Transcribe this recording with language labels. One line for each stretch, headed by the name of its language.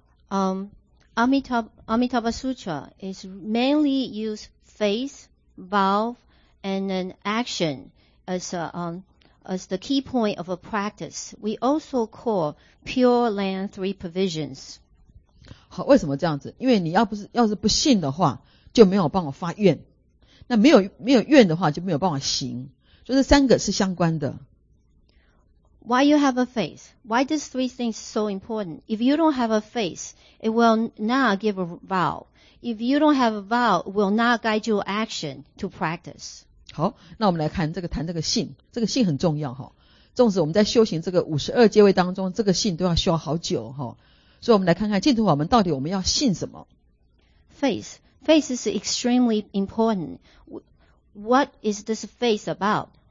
English: Amitabha Sutra is mainly use faith, vow, and then action as as the key point of a practice. We also call pure land three provisions.
Chinese: 好，为什么这样子？因为你要是不信的话，就没有办法发愿。那没有愿的话，就没有办法行。就是三个是相关的。
English: Why you have a faith? Why these three things so important? If you don't have a faith, it will not give a vow. If you don't have a vow, it will not guide your action to practice.
Chinese: 好，那我们来看这个谈这个信，这个信很重要哈。纵使我们在修行这个五十二阶位当中，这个信都要修好久哈。所以，我们来看看净土法门到底我们要信什么
English: ？Faith, faith is extremely important. What is this faith about?